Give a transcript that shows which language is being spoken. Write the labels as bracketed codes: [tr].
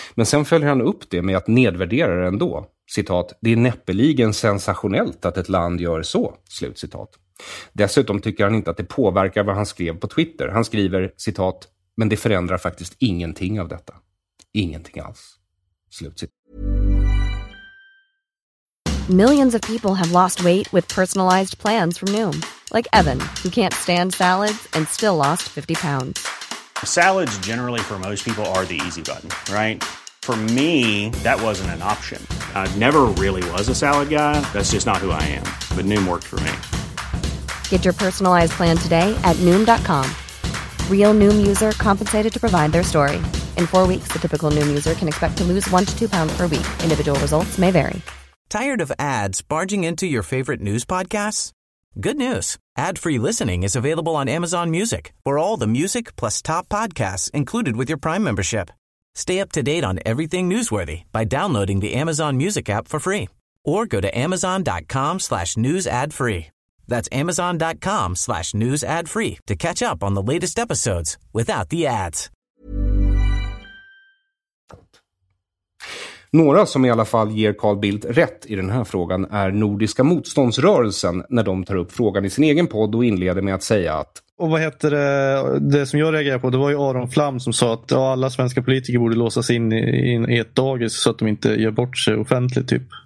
[sv] Men sen följer han upp det med att nedvärdera det ändå, citat, det är näppeligen sensationellt att ett land gör så, slutcitat. Dessutom tycker han inte att det påverkar vad han skrev på Twitter. Han skriver, citat, men det förändrar faktiskt ingenting av detta. Ingenting alls. [en] Millions of people have lost weight with personalized plans from Noom, like Evan, who can't stand salads and still lost 50 pounds. Salads generally for most people are the easy button, right? For me, that wasn't an option. I never really was a salad guy. That's just not who I am. But Noom worked for me. Get your personalized plan today at Noom.com. Real Noom user compensated to provide their story. In 4 weeks, the typical Noom user can expect to lose 1 to 2 pounds per week. Individual results may vary. Tired of ads barging into your favorite news podcasts? Good news. Ad-free listening is available on Amazon Music for all the music plus top podcasts included with your Prime membership. Stay up to date on everything newsworthy by downloading the Amazon Music app for free or go to amazon.com/newsadfree. That's amazon.com/newsadfree to catch up on the latest episodes without the ads. [sv] Några som i alla fall ger Carl Bildt rätt i den här frågan är Nordiska motståndsrörelsen när de tar upp frågan i sin egen podd och inleder med att säga att... Och vad heter det som jag reagerade på? Det var ju Aron Flam som sa att alla svenska politiker borde låsas in i ett dagis så att de inte gör bort sig offentligt, typ.